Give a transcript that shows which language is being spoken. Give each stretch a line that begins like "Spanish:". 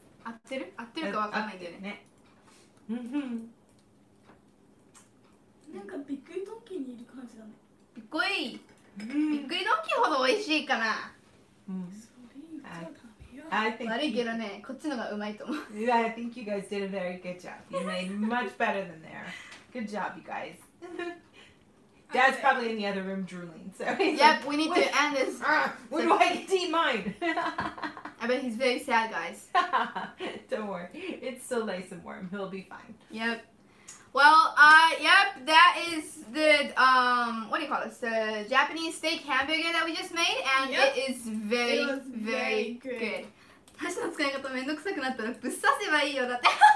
Japanese: 合ってる? 合ってるか分かんないんだよね。なんかびっくりドンキーにいる感じだね。びっくり! びっくりドンキーほど美味しいかな? それ言ったら食べよう。悪いけどね、こっちのがうまいと思う。
English: Yeah, I think you guys did a very good job. You made much better than there. Good job, you guys. Dad's probably in the other room drooling, so he's We need to end this. When do I get to eat mine? I bet he's very sad, guys. Don't worry. It's still nice and warm. He'll be fine. Yep. Well, that is the, what do you call this? The Japanese steak hamburger that we just made, and it is very, it was very, very good.
Japanese: Good. 箸の使い方めんどくさくなったらぶっ刺せばいいよ、だって。